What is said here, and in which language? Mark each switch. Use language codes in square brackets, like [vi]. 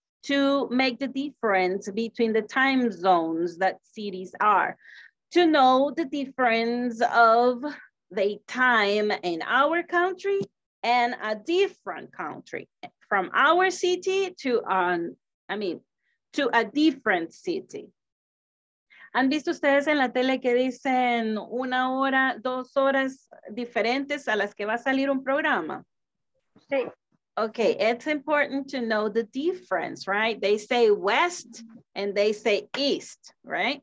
[en] to make the difference between the time zones that cities are, to know the difference of the time in our country and a different country, from our city to to a different city. [es] ¿Han visto ustedes en la tele que dicen una hora, dos horas diferentes a las que va a salir un programa? Sí. [en] Okay, it's important to know the difference, right? They say west and they say east, right?